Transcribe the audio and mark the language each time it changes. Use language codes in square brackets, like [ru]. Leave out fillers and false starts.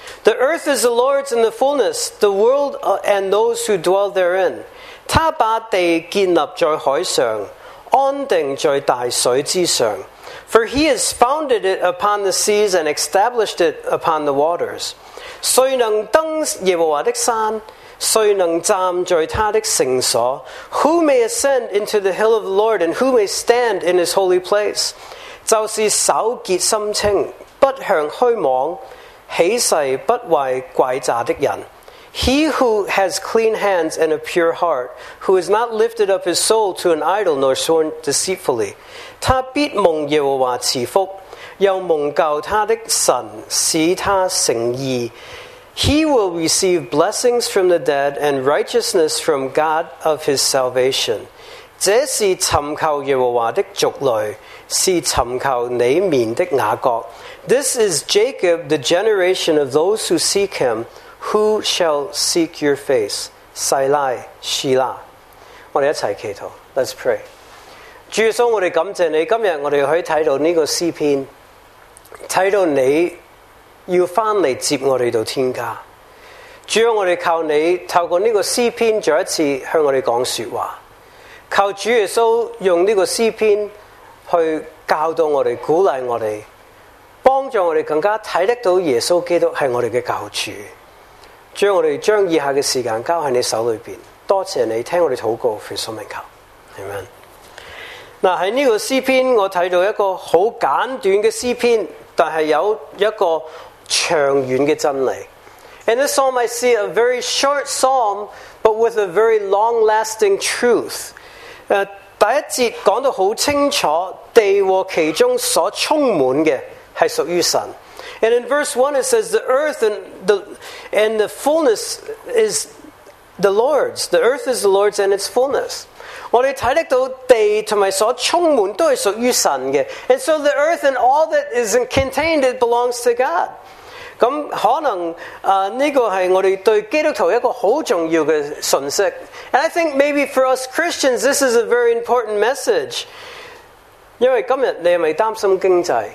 [en] The earth is the Lord's in the fullness, the world and those who dwell therein. [zh] 他把地建立在海上，安定在大水之上。 [en] For he has founded it upon the seas and established it upon the waters. [zh] 谁能登耶和华的山？谁能站在他的圣所 ？ [en] Who may ascend into the hill of the Lord, and who may stand in his holy place？ [zh] 就是守洁心清，不向虚妄，起誓不为诡诈的人。 [en] He who has clean hands and a pure heart, who has not lifted up his soul to an idol nor sworn deceitfully, [zh] 他必蒙耶和华赐福。又蒙救他的神使他诚意 [en] He will receive blessings from the dead and righteousness from God of his salvation. [zh] 这是寻求耶和华的族类，是寻求你面的雅各。 [en] This is Jacob, the generation of those who seek him. Who shall seek your face? [zh] 西拉，西拉。我们一起祈祷。 [en] Let's pray. [zh] 主耶稣，我们感谢你，今天我们可以看到这个诗篇，看到你要回来接我们到天家。主要我们靠你透过这个诗篇再一次向我们讲说话，靠主耶稣用这个诗篇去教导我们，鼓励我们，帮助我们更加看得到耶稣基督是我们的教主。主要我们将以下的时间交在你手里面，多谢你听我们祷告，奉主名求，阿们。在这个诗篇我看到一个很简短的诗篇，但是有一个长远的真理。 [en] In this psalm I see a very short psalm but with a very long lasting truth. [zh] 第一节讲得很清楚，地和其中所充满的是属于神。 [en] And in verse 1 it says the earth and the fullness is the Lord's. The earth is the Lord's and its fullness. [zh] 我们看到地和所充满都是属于神的。 [en] And so the earth and all that is contained, it belongs to God. [zh] 可能这个是我们对基督徒一个很重要的信息。 [en] And I think maybe for us Christians, this is a very important message. [zh] 因为今天你是不是担心经济?